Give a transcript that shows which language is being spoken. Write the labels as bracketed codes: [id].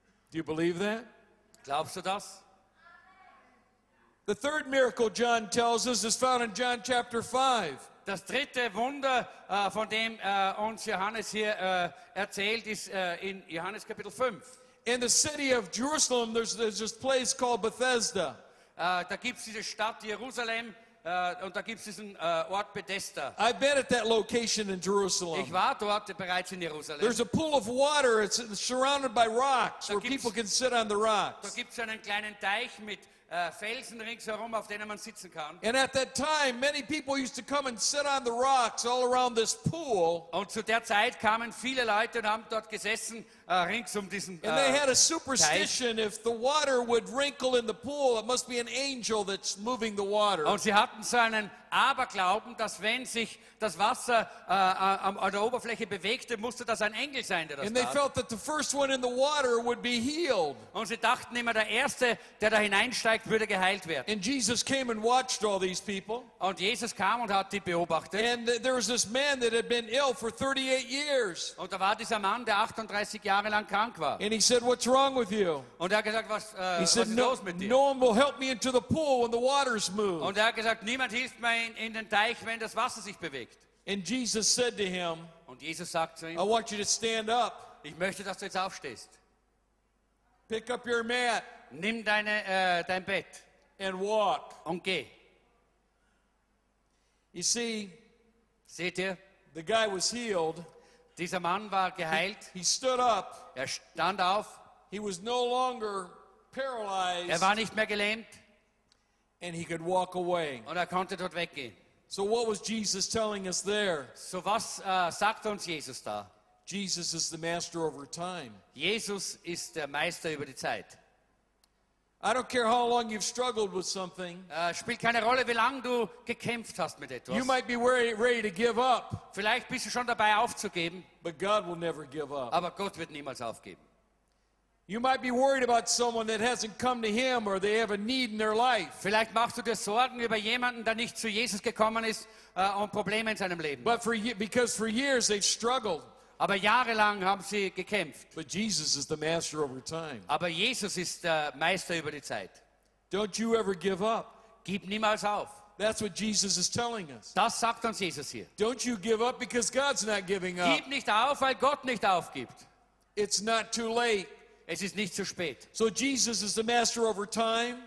[en] Do you believe that? [de] Glaubst du das? [en] The third miracle John tells us is found in John chapter 5. [de] Das dritte Wunder, von dem uns Johannes hier erzählt, ist in Johannes Kapitel 5. [en] In the city of Jerusalem, there's this place called Bethesda. [de] Da gibt's diese Stadt Jerusalem, und da gibt's diesen Ort Bethesda. [en] I've been at that location in Jerusalem. [de] Ich war dort bereits in Jerusalem. [en] There's a pool of water. It's surrounded by rocks, [de] da [en] where people can sit on the rocks. [de] Da gibt's einen kleinen Teich mit Felsen ringsherum, auf denen man sitzen kann. [en] And at that time, many people used to come and sit on the rocks all around this pool. [de] Und zu der Zeit kamen viele Leute und haben dort gesessen. [en] And they had a superstition: if the water would wrinkle in the pool, it must be an angel that's moving the water. [de] Und sie hatten so einen Aberglauben, dass wenn sich das Wasser an der Oberfläche bewegte, musste das ein Engel sein, der das tat. [en] And they felt that the first one in the water would be healed. [de] Und sie dachten immer, der erste, der da hineinsteigt, würde geheilt werden. [en] And Jesus came and watched all these people. [de] Und Jesus kam und hat die beobachtet. [en] And there was this man that had been ill for 38 years. [de] Und da war dieser Mann, der 38 [en] And he said, "What's wrong with you?" [de] Und er gesagt, was, [en] he said, [de] was ist los mit dir? [en] "No one will help me into the pool when the waters move." [de] Und er gesagt, niemand hilft mir in den Teich, wenn das Wasser sich bewegt. [en] And Jesus said to him, [de] und Jesus sagt zu ihm, [en] "I want you to stand up. [de] Ich möchte, dass du jetzt aufstehst. [en] Pick up your mat. [de] Nimm deine, dein Bett. [en] And walk. [de] Und geh." [en] You see, [de] seht ihr? [en] The guy was healed. [de] Dieser Mann war geheilt. [en] He stood up. [de] Er stand auf. [en] He was no longer paralyzed. [de] Er war nicht mehr gelähmt. [en] And he could walk away. [de] Und er konnte dort weggehen. [en] So what was Jesus telling us there? [de] So was sagt uns Jesus da? [en] Jesus is the master over time. [de] Jesus ist der Meister über die Zeit. [en] I don't care how long you've struggled with something. [de] Spielt keine Rolle, wie lange du gekämpft hast mit etwas. [en] You might be ready to give up. [de] Vielleicht bist du schon dabei aufzugeben. [en] But God will never give up. [de] Aber Gott wird niemals aufgeben. [en] You might be worried about someone that hasn't come to Him or they have a need in their life. [de] Vielleicht machst du dir Sorgen über jemanden, der nicht zu Jesus gekommen ist und Probleme in seinem Leben. [en] But for years they've struggled. [de] Aber jahrelang haben sie gekämpft. [en] But Jesus is the master over time. [de] Aber Jesus ist der Meister über die Zeit. [en] Don't you ever give up. [de] Gib niemals auf. [en] That's what Jesus is telling us. [de] Das sagt uns Jesus hier. [en] Don't you give up because God's not giving up. [de] Gib nicht auf, weil Gott nicht aufgibt. [en] It's not too late. [de] Es ist nicht zu spät. [en] So Jesus is the master over time.